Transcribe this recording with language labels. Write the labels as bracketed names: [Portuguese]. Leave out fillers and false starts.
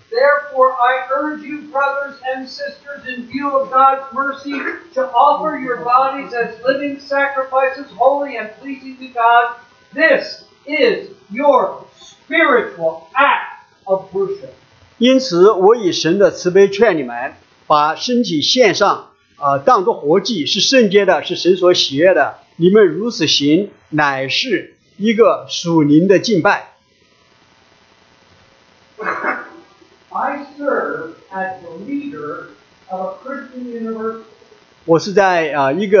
[English] Therefore, I urge you, brothers and sisters, in view of God's mercy, to offer your bodies as living sacrifices, holy and pleasing to God. This is your spiritual act of worship. [Chinese] 因此，我以神的慈悲劝你们，把身体献上。当作活祭是圣洁的，是神所喜悦的。你们如此行，乃是一个属灵的敬拜。 [English] I serve as the leader of a Christian university.